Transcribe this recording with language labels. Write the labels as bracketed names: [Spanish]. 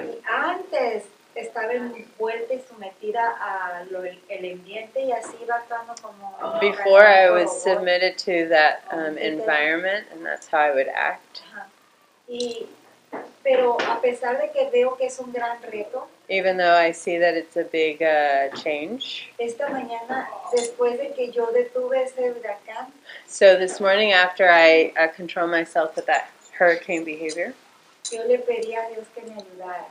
[Spanish] Antes estaba envuelta y sometida a lo el ambiente y así iba actuando como. [English] Before I was submitted to that environment, and that's how I would act. [Spanish] Pero a pesar de que veo que es un gran reto. [English] Even though I see that it's a big change. [Spanish] Esta mañana, después de que yo detuve ese huracán. [English] So this morning after I control myself with that hurricane behavior. [Spanish] Yo le pedí a Dios que me ayudara.